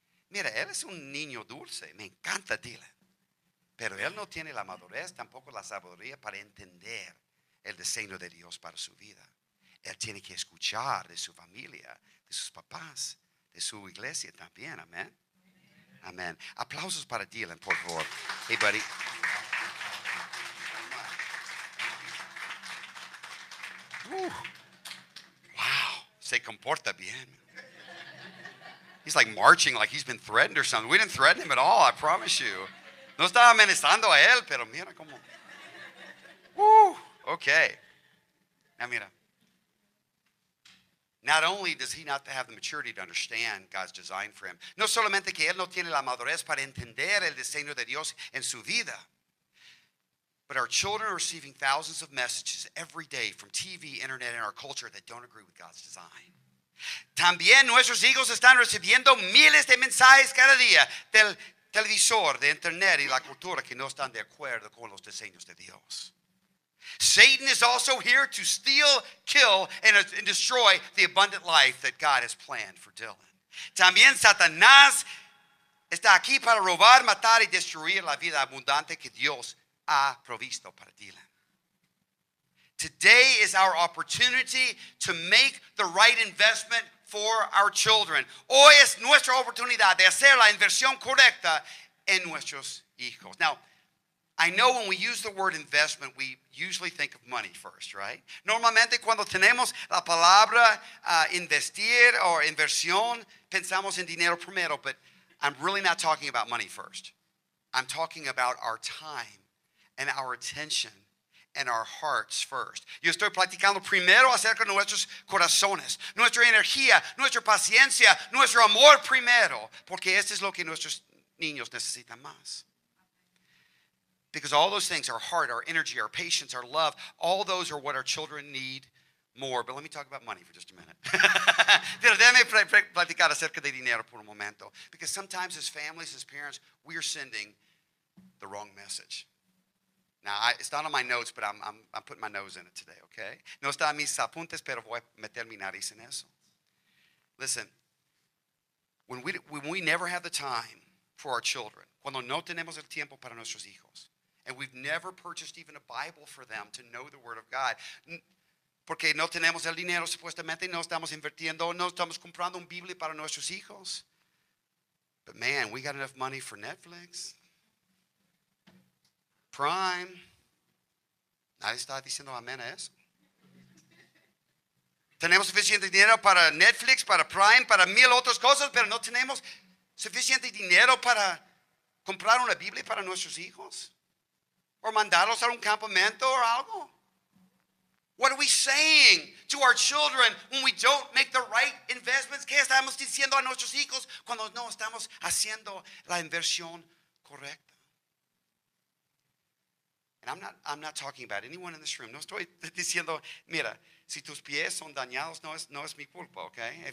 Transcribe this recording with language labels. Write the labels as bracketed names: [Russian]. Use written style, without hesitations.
[Spanish] Mira, él es un niño dulce. Me encanta Dylan. Pero él no tiene la madurez, tampoco la sabiduría para entender el diseño de Dios para su vida. Él tiene que escuchar de su familia, de sus papás, de su iglesia también. Amén. Amén. Aplausos para Dylan, por favor. [English] Hey, buddy. [Spanish] Wow. Se comporta bien. [English] He's like marching like he's been threatened or something. We didn't threaten him at all, I promise you. [Spanish] No estaba amenazando a él, pero mira cómo. [English] Okay. Now, mira. Not only does he not have the maturity to understand God's design for him, [Spanish] no solamente que él no tiene la madurez para entender el diseño de Dios en su vida, [English] but our children are receiving thousands of messages every day from TV, internet, and our culture that don't agree with God's design. [Spanish] También nuestros hijos están recibiendo miles de mensajes cada día del televisor, de internet y la cultura que no están de acuerdo con los diseños de Dios. [English] Satan is also here to steal, kill, and destroy the abundant life that God has planned for Dylan. [Spanish] También Satanás está aquí para robar, matar y destruir la vida abundante que Dios ha provisto para Dylan. [English] Today is our opportunity to make the right investment for our children. [Spanish] Hoy es nuestra oportunidad de hacer la inversión correcta en nuestros hijos. [English] Now, I know when we use the word investment, we usually think of money first, right? [Spanish] Normalmente cuando tenemos la palabra investir o inversión, pensamos en dinero primero, [English] but I'm really not talking about money first. I'm talking about our time and our attention and our hearts first. [Spanish] Yo estoy platicando primero acerca de nuestros corazones, nuestra energía, nuestra paciencia, nuestro amor primero, porque eso es lo que nuestros niños necesitan más. [English] Because all those things, our heart, our energy, our patience, our love, all those are what our children need more. But let me talk about money for just a minute. [Spanish] Pero déjame platicar acerca de dinero por un momento. [English] Because sometimes as families, as parents, we are sending the wrong message. Now, it's not on my notes, but I'm putting my nose in it today, okay? [Spanish] No está en mis apuntes, pero voy a meter mi nariz en eso. [English] Listen, when we never have the time for our children, [Spanish] cuando no tenemos el tiempo para nuestros hijos, [English] and we've never purchased even a Bible for them to know the Word of God, [Spanish] porque no tenemos el dinero, supuestamente, no estamos invirtiendo, no estamos comprando un Biblia para nuestros hijos. [English] But man, we got enough money for Netflix. [Spanish] Prime. Nadie está diciendo amén a eso. Tenemos suficiente dinero para Netflix, para Prime, para mil otras cosas, pero no tenemos suficiente dinero para comprar una Biblia para nuestros hijos. Or mandarlos a un campamento or algo. [English] What are we saying to our children when we don't make the right investments? [Spanish] ¿Qué estamos diciendo a nuestros hijos cuando no estamos haciendo la inversión correcta? [English] And I'm not talking about anyone in this room. [Spanish] No estoy diciendo, mira, si tus pies son dañados, no es mi culpa, okay?